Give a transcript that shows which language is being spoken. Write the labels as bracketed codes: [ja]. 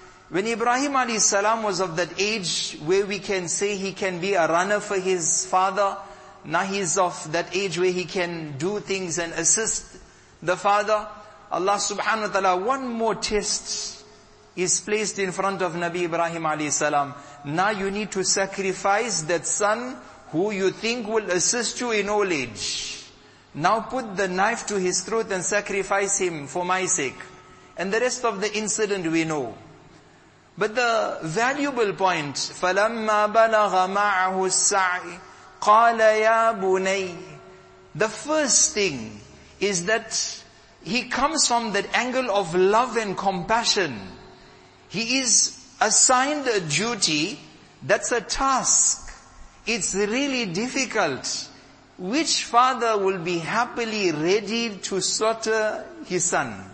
[en] When Ibrahim alayhi salam was of that age where we can say he can be a runner for his father, now he's of that age where he can do things and assist the father, Allah subhanahu wa ta'ala, one more test is placed in front of Nabi Ibrahim alayhi salam. Now you need to sacrifice that son who you think will assist you in old age. Now put the knife to his throat and sacrifice him for my sake. And the rest of the incident we know. But the valuable point, [ar] فَلَمَّا بَلَغَ مَعَهُ السَّعِي قَالَ يَا بُنَيْ. [en] The first thing is that he comes from that angle of love and compassion. He is assigned a duty, that's a task. It's really difficult. Which father will be happily ready to slaughter his son?